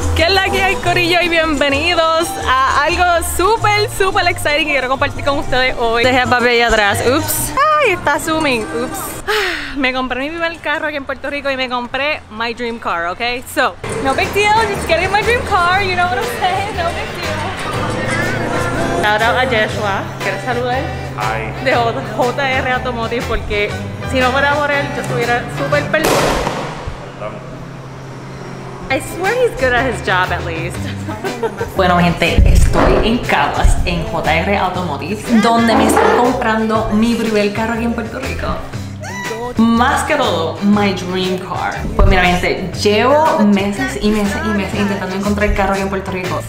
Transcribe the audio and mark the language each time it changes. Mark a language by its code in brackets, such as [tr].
[es] ¿Qué es la que hay, corillo? Y bienvenidos a algo súper, [en] súper exciting [es] que quiero compartir con ustedes hoy. Dejé el papel ahí atrás. ¡Ups! ¡Ay! Está zooming. ¡Ups! Me compré mi primer carro aquí en Puerto Rico y me compré [en] my dream car, [es] ¿ok? [en] So, no big deal, just getting my dream car, you know what I'm saying? No big deal. [es] Shout out a Joshua, quiero saludar. [en] Hi. [es] De JR Automotive, porque si no fuera por él, yo estuviera súper perdido. [en] I swear he's good at his job at least. [es] Bueno, gente, estoy en Caguas, en JR Automotive, donde me estoy comprando mi primer carro aquí en Puerto Rico. Más que todo, [en] my dream car. [es] Pues mira, gente, llevo meses y meses y meses intentando encontrar carro aquí en Puerto Rico.